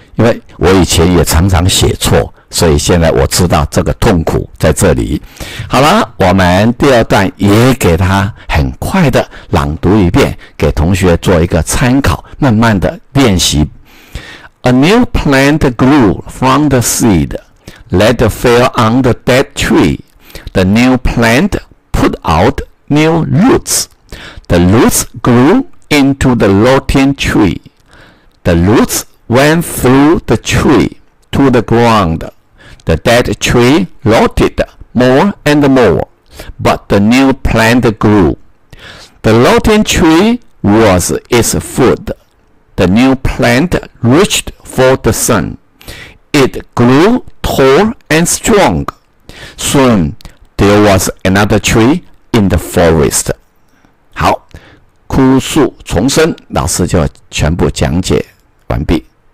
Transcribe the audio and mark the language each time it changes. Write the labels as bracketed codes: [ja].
[zh] 因为我以前也常常写错，所以现在我知道这个痛苦在这里。好了，我们第二段也给他很快的朗读一遍，给同学做一个参考，慢慢的练习。 [en] A new plant grew from the seed, let fell on the dead tree. The new plant put out new roots. The roots grew into the rotten tree. The roots went through the tree to the ground. The dead tree rotted more and more, but the new plant grew. The rotten tree was its food. The new plant reached for the sun. It grew tall and strong. Soon, there was another tree in the forest. [zh] 好，枯树重生，老师就全部讲解完毕。